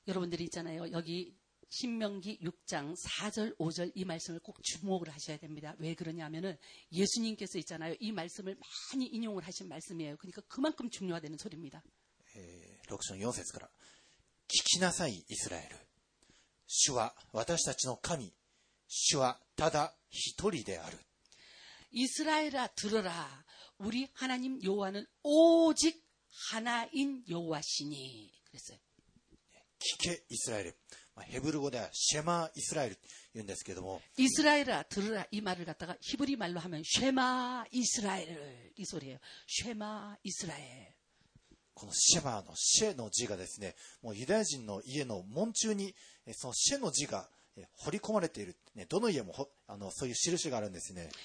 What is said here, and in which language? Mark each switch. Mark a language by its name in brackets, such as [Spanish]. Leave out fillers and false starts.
[Korean] 여러분들이있잖아요여기신명기6장4절5절이말씀을꼭주목을하셔야됩니다왜그러냐면은예수님께서있잖아요이말씀을많이인용을하신말씀이에요그러니까그만큼중요하다는소리입니다 6장4절 [Japanese] から聞きなさいイスラエル主は私たちの神主はただ一人である [Korean] 이스라엘아들어라우리하나님여호와는오직하나인여호와시니그랬어요 [Japanese] 聞けイスラエルヘブル語ではシェマーイスラエルと言うんですけども、 [Korean] イスラエル아들으라이말을갖다가히브리말로하면쉐마이스라엘이소리예요쉐마이스라엘 [Japanese] このシェマーのシェの字がですね、もうユダヤ人の家の門中にそのシェの字が彫り込まれている、ね、どの家もあのそういう印があるんですね。